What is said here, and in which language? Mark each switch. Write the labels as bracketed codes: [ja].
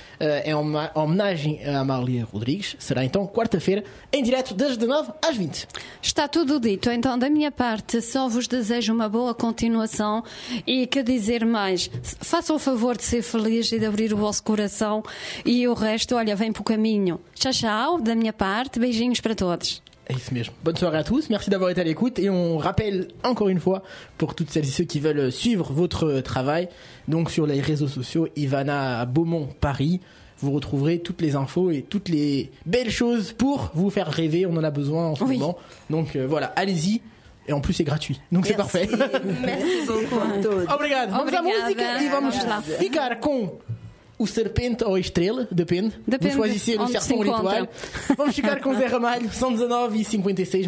[pt] É uma homenagem a Amália Rodrigues. Será então quarta-feira, em direto, das 19 às 20. Está tudo dito. Então, da minha parte, só vos desejo uma boa continuação e que dizer mais. Façam o favor de ser feliz e de abrir o vosso coração e o resto, olha, vem para o caminho. Tchau, tchau, da minha parte. Beijinhos para todos. É isso mesmo. [fr] Bonne soirée à tous. Merci d'avoir été à l'écoute. Et on rappelle encore une fois, pour toutes celles et ceux qui veulent suivre votre travail, donc sur les réseaux sociaux, Ivana Beaumont Paris, vous retrouverez toutes les infos et toutes les belles choses pour vous faire rêver. On en a besoin en ce oui. moment. Donc voilà, allez-y. Et en plus, c'est gratuit. Donc merci. C'est parfait. Merci beaucoup à tous. [pt] Obrigado. Vamos à [fr] musique. Et [pt] vamos lá. Ficar com o serpente ou a estrela, depende. [fr] Vous choisissez le serpent ou l'étoile. [pt] Vamos ficar com Zé Ramalho, 119 e 56.